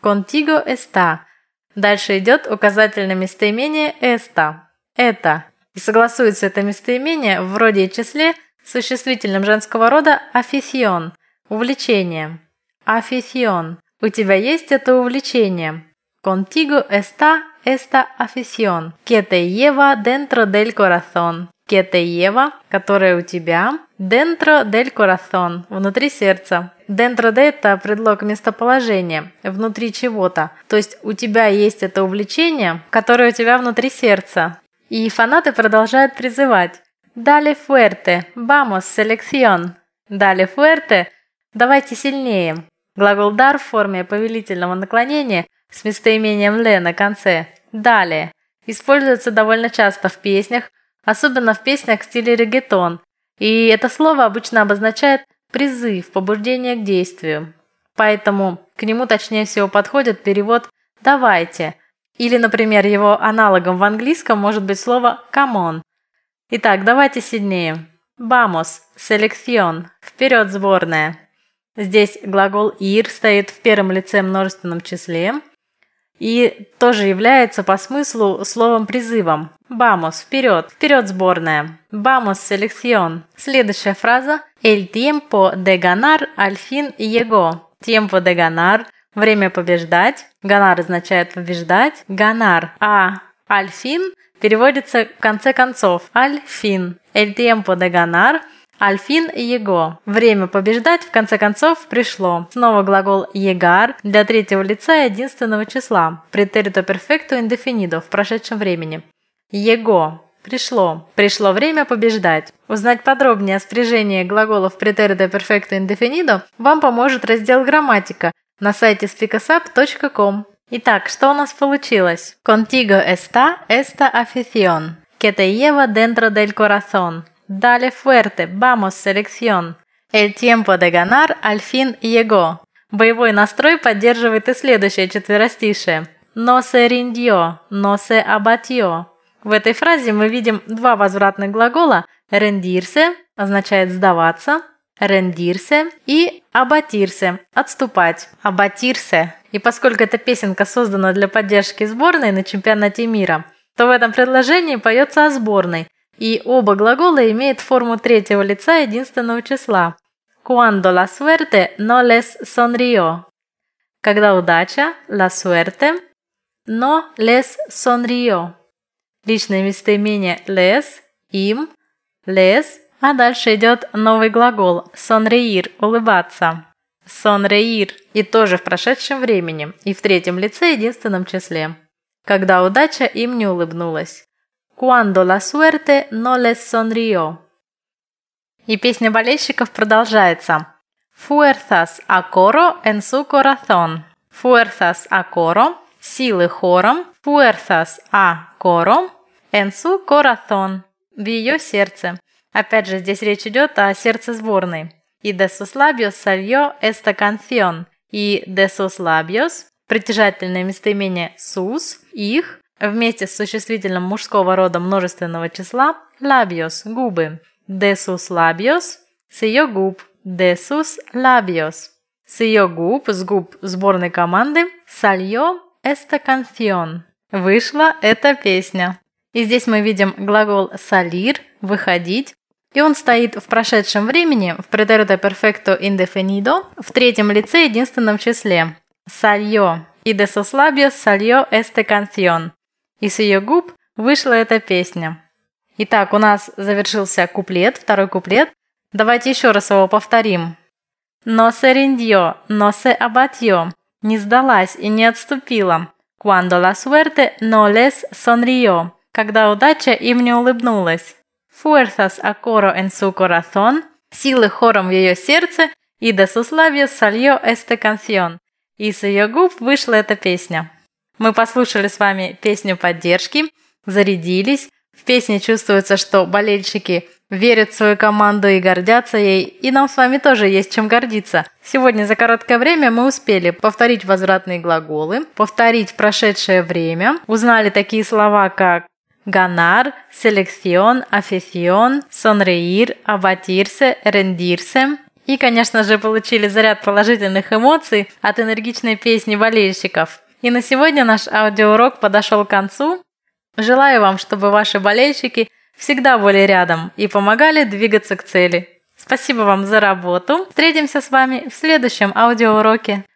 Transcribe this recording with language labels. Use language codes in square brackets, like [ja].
[es] «Contigo está». [ru] Дальше идет указательное местоимение [es] «esta» [ru] – «это». И согласуется это местоимение вроде и числе с существительным женского рода [es] «afición» [ru] – «увлечение». [es] «Afición» [ru] – «у тебя есть это увлечение». [es] «Contigo está esta afición» – «que te lleva dentro del corazón». «Que te lleva» – [ru] «которая у тебя» [es] – «dentro del corazón» – [ru] «внутри сердца». [es] «Dentro de» [ru] – это предлог местоположения, «внутри чего-то». То есть у тебя есть это увлечение, которое у тебя внутри сердца. И фанаты продолжают призывать. [es] «Dale fuerte! Vamos, selección!» «Dale fuerte!» [ru] – «давайте сильнее!» Глагол «dar» в форме повелительного наклонения с местоимением «le» на конце. «Dale» используется довольно часто в песнях, особенно в песнях в стиле реггаетон. И это слово обычно обозначает призыв, побуждение к действию. Поэтому к нему точнее всего подходит перевод «давайте». Или, например, его аналогом в английском может быть слово [en] «come on». [ru] Итак, давайте сильнее. [es] «Vamos, selección» [ru] – «вперед, сборная». Здесь глагол «ir» стоит в первом лице множественном числе. и тоже является по смыслу словом-призывом. [es] «Vamos, [ru] вперед! Вперед, сборная! [es] Vamos, selección!» [ru] Следующая фраза [es] «El tiempo de ganar al fin llegó». «Tiempo de ganar» – [ru] «время побеждать». [es] «Ganar» [ru] означает «побеждать». [es] «Ganar» – «а». «Al fin» [ru] переводится «в конце концов». [es] «Al fin» – «El tiempo de ganar». [ru] Альфин и его. Время побеждать в конце концов пришло. Снова глагол «егар» для третьего лица и единственного числа. Претерито перфекто индефинидо в прошедшем времени. Его. Пришло. Пришло время побеждать. Узнать подробнее о спряжении глаголов претерито перфекто индефинидо вам поможет раздел «Грамматика» на сайте speakasap.com. Итак, что у нас получилось? [es] Contigo está esta afición. Que te lleva dentro del corazón. Dale fuerte, vamos, selección. El tiempo de ganar al fin llegó. [ru] Боевой настрой поддерживает и следующее четверостишее. [es] No se rindió, no se abatió. [ru] В этой фразе мы видим два возвратных глагола. [es] Rendirse [ru] означает сдаваться. [es] Rendirse [ru] и [es] abatirse [ru] – отступать. [es] Abatirse. [ru] И поскольку эта песенка создана для поддержки сборной на чемпионате мира, то в этом предложении поется о сборной. И оба глагола имеют форму третьего лица единственного числа. [es] Cuando la suerte no les sonrió. [ru] Когда удача, [es] la suerte, no les sonrió. [ru] Личное местоимение [es] les, [ru] им, les, а дальше идет новый глагол [es] sonreír, [ru] улыбаться. [es] Sonreír, [ru] и тоже в прошедшем времени, и в третьем лице единственном числе. Когда удача им не улыбнулась. [es] Cuando la suerte no les sonrió. [ru] И песня болельщиков продолжается. [es] Fuerzas a coro en su corazón. Fuerzas a coro. [ru] Силы хором. [es] Fuerzas a coro en su corazón. [ru] В ее сердце. Опять же, здесь речь идет о сердце сборной. [es] Y de sus labios salió esta canción. И de sus labios. [ru] Притяжательное местоимение [es] sus. [ru] Их. Вместе с существительным мужского рода множественного числа [es] «labios» [ru] – «губы». [es] «De sus labios» [ru] – «с ее губ». «De sus labios» – «с ее губ», «с губ» сборной команды [es] «salió esta canción» [ru] – «вышла эта песня». И здесь мы видим глагол [es] «salir» [ru] – «выходить». И он стоит в прошедшем времени, в претерито перфекто индефинидо, в третьем лице единственном числе. [es] «Salió» – «и de sus labios salió esta canción». [ru] И с ее губ вышла эта песня. Итак, у нас завершился куплет, второй куплет. Давайте еще раз его повторим. [es] No se rindió, no se abatió. [ru] Не сдалась и не отступила. [es] Cuando la suerte no les sonrió. [ru] Когда удача им не улыбнулась. [es] Fuerzas a coro en su corazón. [ru] Силы хором в ее сердце. [es] Y de sus labios salió esta canción. [ru] И с ее губ вышла эта песня. Мы послушали с вами песню поддержки, зарядились. В песне чувствуется, что болельщики верят в свою команду и гордятся ей. И нам с вами тоже есть чем гордиться. Сегодня за короткое время мы успели повторить возвратные глаголы, повторить прошедшее время. Узнали такие слова, как ganar, selección, afición, sonreír, abatirse, rendirse. И, конечно же, получили заряд положительных эмоций от энергичной песни болельщиков. И на сегодня наш аудиоурок подошел к концу. Желаю вам, чтобы ваши болельщики всегда были рядом и помогали двигаться к цели. Спасибо вам за работу. Встретимся с вами в следующем аудиоуроке.